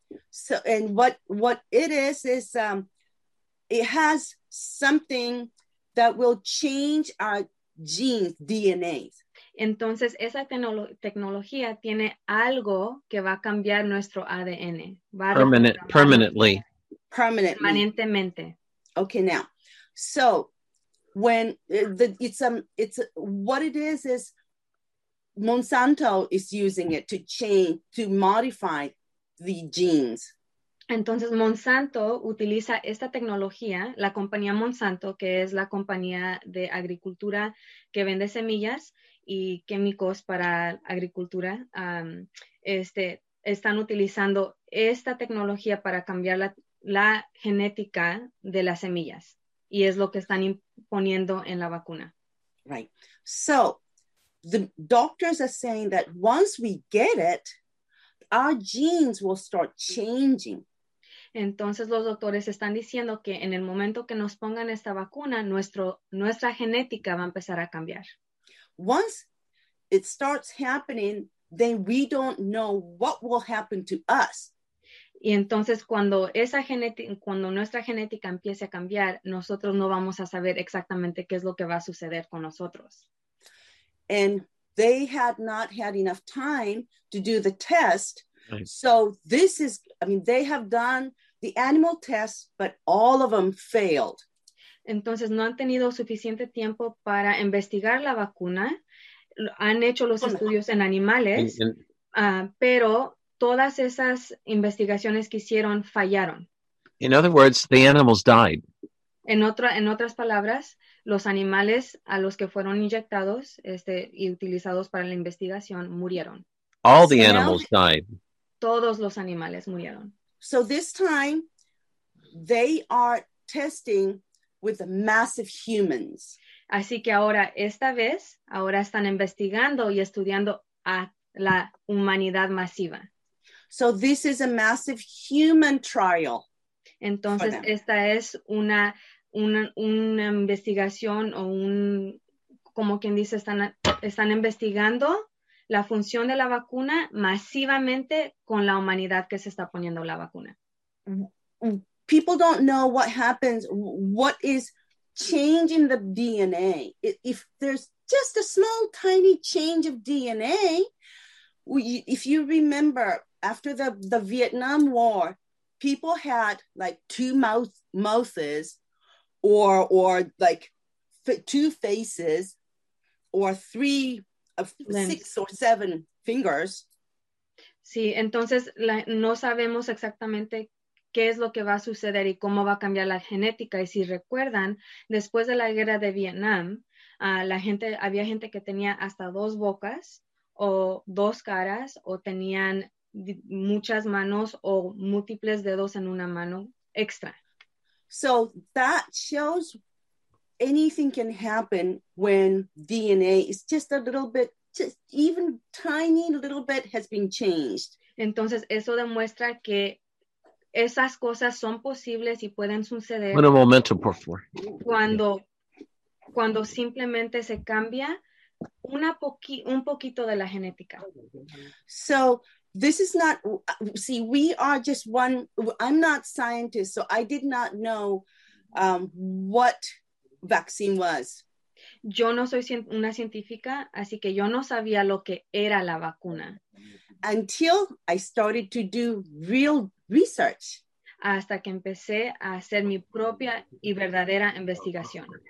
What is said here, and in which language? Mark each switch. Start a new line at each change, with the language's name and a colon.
English: So, and what it is it has something that will change our genes, DNA.
Spanish: Entonces, esa tecnología tiene algo que va a cambiar nuestro ADN.
English: Permanently.
Spanish: Permanentemente.
English: Okay, now. So, What it is Monsanto is using it to change, to modify the genes.
Spanish: Entonces Monsanto utiliza esta tecnología, la compañía Monsanto, que es la compañía de agricultura que vende semillas y químicos para agricultura, están utilizando esta tecnología para cambiar la genética de las semillas. Y es lo que están imponiendo en la vacuna.
English: Right. So, the doctors are saying that once we get it, our genes will start changing.
Spanish: Entonces, los doctores están diciendo que en el momento que nos pongan esta vacuna, nuestra genética va a empezar a cambiar.
English: Once it starts happening, then we don't know what will happen to us.
Spanish: Y entonces cuando nuestra genética empiece a cambiar, nosotros no vamos a saber exactamente qué es lo que va a suceder con nosotros.
English: And they had not had enough time to do the test. Right. So they have done the animal test, but all of them failed.
Spanish: Entonces no han tenido suficiente tiempo para investigar la vacuna. Han hecho los estudios en animales, pero todas esas investigaciones que hicieron fallaron.
English: In other words, the animals died.
Spanish: En otras palabras, los animales a los que fueron inyectados y utilizados para la investigación murieron.
English: All the animals died.
Spanish: Todos los animales murieron.
English: So this time, they are testing with massive humans.
Spanish: Así que ahora, esta vez, ahora están investigando y estudiando a la humanidad masiva.
English: So this is a massive human trial.
Spanish: Entonces, esta es una una investigación o un, como quien dice, están investigando la función de la vacuna masivamente con la humanidad que se está poniendo la vacuna.
English: People don't know what happens, what is changing the DNA. If there's just a small, tiny change of DNA, if you remember, after the Vietnam War, people had like two mouths or like two faces or three of six or seven fingers.
Spanish: Sí, entonces no sabemos exactamente qué es lo que va a suceder y cómo va a cambiar la genética. Y si recuerdan, después de la guerra de Vietnam, había gente que tenía hasta dos bocas o dos caras o tenían muchas manos o múltiples dedos en una mano extra.
English: So that shows anything can happen when DNA is just a little bit, just even tiny little bit has been changed.
Spanish: Entonces eso demuestra que esas cosas son posibles y pueden suceder cuando simplemente se cambia un poquito de la genética.
English: So this is not, see, we are just one, I'm not a scientist, so I did not know what vaccine was.
Spanish: Yo no soy una científica, así que yo no sabía lo que era la vacuna.
English: Until I started to do real research.
Spanish: Hasta que empecé a hacer mi propia y verdadera investigación.